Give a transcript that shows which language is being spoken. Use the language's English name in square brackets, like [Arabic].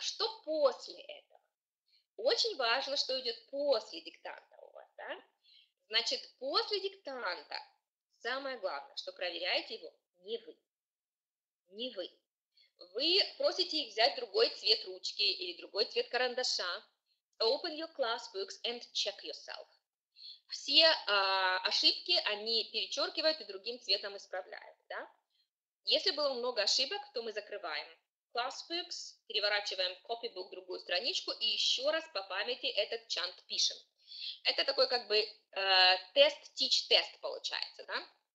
[Russian] Что после этого? Очень важно, что идет после диктанта у вас. Да? Значит, после диктанта самое главное, что проверяете его не вы. Не вы. Вы просите их взять другой цвет ручки или другой цвет карандаша. [English] Open your class books and check yourself. [Russian] Все ошибки они перечеркивают и другим цветом исправляют. Да? Если было много ошибок, то мы закрываем class books, переворачиваем copybook, другую страничку и еще раз по памяти этот чант пишем. Это такой как бы тест, teach test получается. Да?